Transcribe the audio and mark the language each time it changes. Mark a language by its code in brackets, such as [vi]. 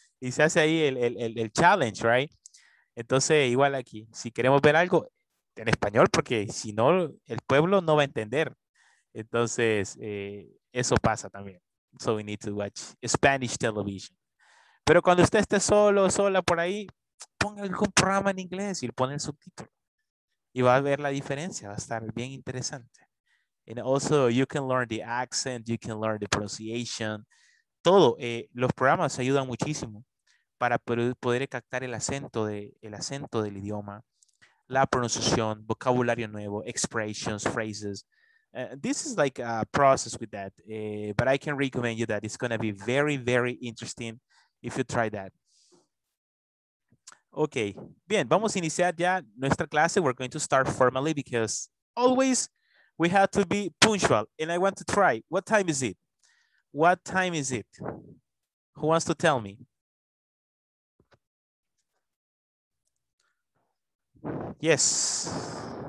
[es] Y se hace ahí el challenge, right? Entonces, igual aquí, si queremos ver algo en español, porque si no, el pueblo no va a entender. Entonces, eso pasa también. [en] So we need to watch Spanish television. [es] Pero cuando usted esté solo o sola por ahí, ponga algún programa en inglés y le pone el subtítulo. Y va a ver la diferencia, va a estar bien interesante. [en] And also, you can learn the accent, you can learn the pronunciation. [es] Todo, los programas ayudan muchísimo para poder captar el acento del idioma, la pronunciación, vocabulario nuevo, [en] expressions, phrases. This is like a process with that, but I can recommend you that. It's going to be very, very interesting if you try that. [es] Okay, bien, vamos a iniciar ya nuestra clase. [en] We're going to start formally because always we have to be punctual. And I want to try. What time is it? What time is it? Who wants to tell me? Yes.